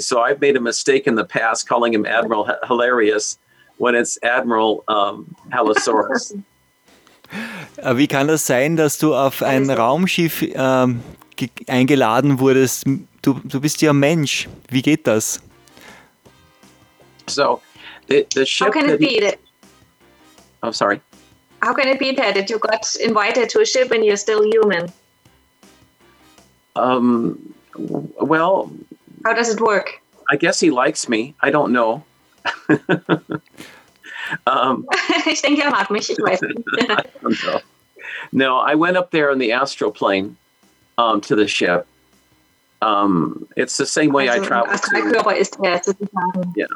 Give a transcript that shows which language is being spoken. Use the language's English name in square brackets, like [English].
[English] So I've made a mistake in the past calling him Admiral Hilarious when it's Admiral Halosaurus. [German] Wie kann das sein, dass du auf ein Raumschiff eingeladen wurdest? Du bist ja Mensch. Wie geht das? [English] So, the ship. How can it be? Oh, sorry. How can it be that you got invited to a ship and you're still human? Well, how does it work? I guess he likes me. I don't know. [German] ich denke, er mag mich. Ich weiß nicht. [English] No, I went up there in the astral plane to the ship. It's the same way I travel. [German] Also, mein Körper ist hier, sozusagen.